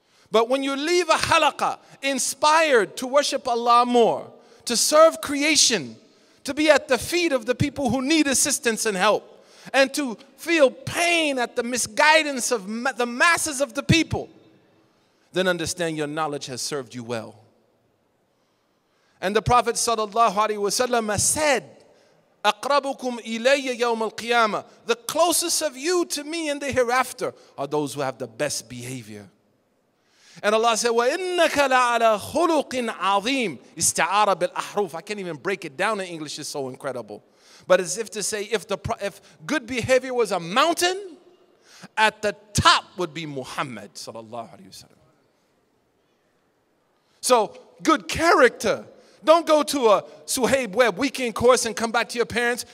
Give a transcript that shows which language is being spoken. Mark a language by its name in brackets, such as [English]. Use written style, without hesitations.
[English] But when you leave a halaqah inspired to worship Allah more, to serve creation, to be at the feet of the people who need assistance and help, and to feel pain at the misguidance of the masses of the people, then understand your knowledge has served you well. And the Prophet sallallahu alaihi wasallam said, [Arabic] أَقْرَبُكُمْ إِلَيَّ يَوْمَ الْقِيَامَةِ. [English] The closest of you to me in the hereafter are those who have the best behavior. And Allah said, [Arabic] وَإِنَّكَ لَعَلَى خُلُقٍ عَظِيمٍ. إِسْتَعَارَ بِالْأَحْرُوفِ. [English] I can't even break it down in English, it's so incredible. But as if to say, if good behavior was a mountain, at the top would be Muhammad sallallahu alayhi wa sallam. So, good character. Don't go to a Suhaib Webb weekend course and come back to your parents.